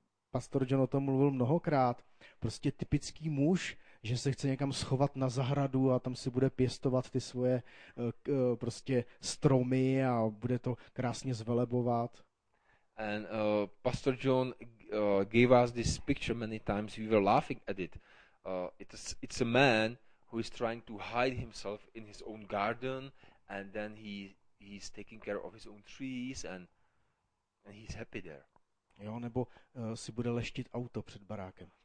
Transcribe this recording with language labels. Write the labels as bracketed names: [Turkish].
[Czech] Pastor John o tom mluvil mnohokrát. Prostě typický muž, že se chce někam schovat na zahradu a tam si bude pěstovat ty svoje prostě stromy a bude to krásně zvelebovat. [English] And Pastor John gave us this picture many times. We were laughing at it. It's a man who is trying to hide himself in his own garden, and then he's taking care of his own trees, and he's happy there. [Czech] Jo, nebo si bude leštit auto před barákem.